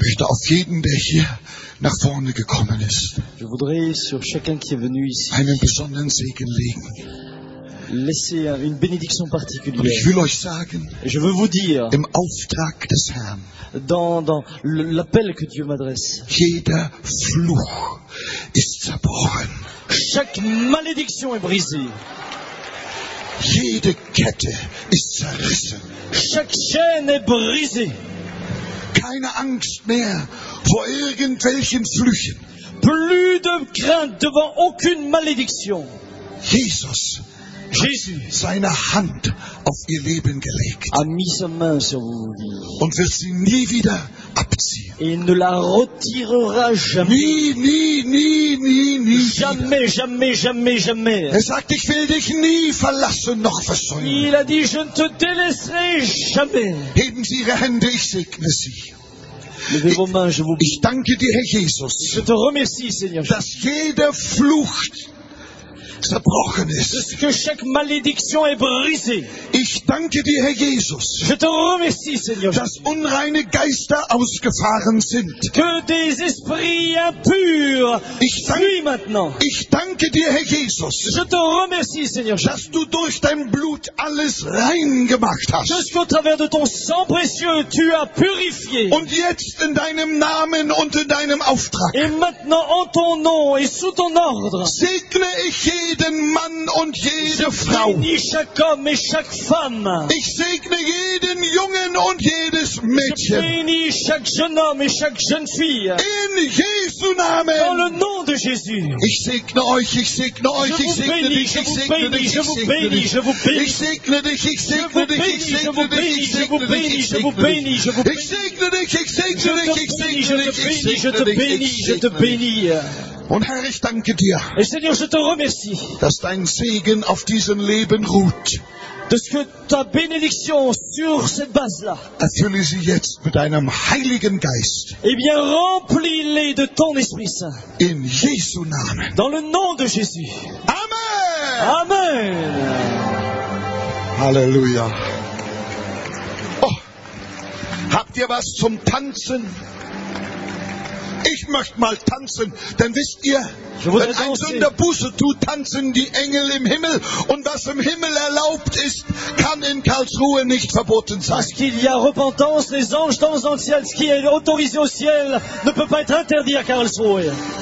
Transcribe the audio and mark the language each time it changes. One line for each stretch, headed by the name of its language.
German: Ich möchte auf jeden, der hier nach vorne gekommen ist,
French: je voudrais sur chacun qui est venu ici,
German: einen besonderen Segen legen.
French: laisser une bénédiction particulière.
German: Aber ich will euch sagen,
French: je veux vous dire,
German: im Auftrag des Herrn,
French: dans l'appel que Dieu m'adresse,
German: jeder Fluch ist zerbrochen.
French: Chaque malédiction est brisée.
German: Jede Kette ist zerrissen.
French: Chaque chaîne est brisée.
German: Keine Angst mehr vor irgendwelchen Flüchen.
French: Plus de crainte devant aucune malédiction.
German: Jesus
French: Jésus
German: hat seine Hand auf ihr Leben gelegt.
French: A mis sa main sur vos vies.
German: Und wird sie nie wieder abziehen.
French: Et ne la retirera jamais.
German: Nie.
French: Jamais, jamais, jamais, jamais.
German: Er sagt, ich will dich nie verlassen noch versäumen.
French: Il a dit, je ne te délaisserai jamais.
German: Heben Sie Ihre Hände, ich segne Sie.
French: Levez vos mains, je vous bénis.
German: Ich danke dir, Herr Jesus,
French: je te remercie, Seigneur
German: Jésus. Dass jeder Fluch zerbrochen ist. Dass
French: que chaque malédiction est brisée.
German: Ich danke dir, Herr Jesus,
French: je te remercie, Seigneur
German: Jésus. Dass unreine Geister ausgefahren sind.
French: Que des esprits impurs fuient maintenant.
German: Ich danke dir, Herr Jesus,
French: je te remercie, Seigneur Jésus.
German: Dass du durch dein Blut alles rein gemacht hast. Dass
French: qu'au travers de ton sang précieux tu as purifié.
German: Und jetzt in deinem Namen und in deinem Auftrag.
French: Et maintenant en ton nom et sous ton ordre.
German: Segne ich jeden Mann und jede Frau. Ich segne jeden Jungen und jedes Mädchen. Ich segne jeden Mann und jede junge Frau. In Jesu Namen.
French: Dans le nom de Jésus.
German: Ich segne euch, ich segne euch, ich segne dich, ich segne dich, ich segne dich,
French: je vous bénis.
German: Ich segne dich, ich segne dich, ich segne dich, ich segne dich, ich segne dich, ich segne dich, ich segne dich, ich segne dich. Und Herr, ich danke dir,
French: et Seigneur, je te remercie,
German: dass dein Segen auf diesem Leben ruht. Dass
French: que ta bénédiction sur cette base-là.
German: Erfülle sie jetzt mit deinem Heiligen Geist.
French: Et bien, remplis-les de ton Esprit Saint.
German: In Jesu Namen.
French: Dans le nom de Jésus.
German: Amen.
French: Amen.
German: Halleluja. Oh, habt ihr was zum Tanzen? Ich möchte mal tanzen, denn wisst ihr, wenn ein Sünder Buße tut, tanzen die Engel im Himmel. Und was im Himmel erlaubt ist, kann in Karlsruhe nicht verboten sein.
French: Parce qu'il y a repentance, les anges dansent dans le ciel. Ce qui est autorisé au ciel ne peut pas être interdit à Karlsruhe.